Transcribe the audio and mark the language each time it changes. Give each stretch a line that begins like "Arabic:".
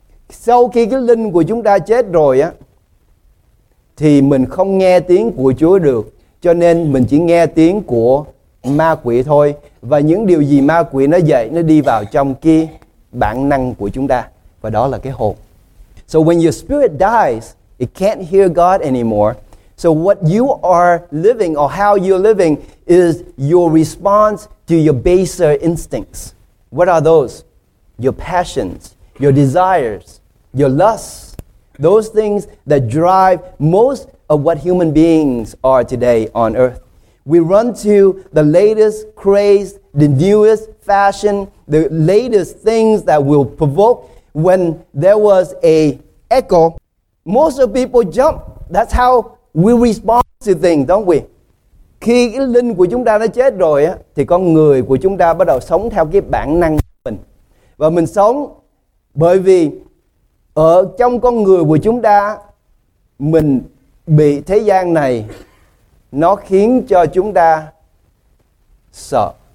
Vietnamese: Sau khi cái linh của chúng ta chết rồi á, thì mình không nghe tiếng của Chúa được, cho nên mình chỉ nghe tiếng của ma quỷ thôi. Và những điều gì ma quỷ nó dạy, nó đi vào trong cái bản năng của chúng ta, và đó là cái hồn.
English: So when your spirit dies, it can't hear God anymore. So what you are living or how you're living is your response to your baser instincts. What are those? Your passions, your desires, your lusts. Those things that drive most of what human beings are today on earth. We run to the latest craze, the newest fashion, the latest things that will provoke. When there was a echo, most of people jump. That's how we respond to things, don't we?
Vietnamese: Khi cái linh của chúng ta nó chết rồi á, thì con người của chúng ta bắt đầu sống theo cái bản năng của mình. Và mình sống bởi vì ở trong con người của chúng ta, mình bị thế gian này nó khiến cho chúng ta sợ.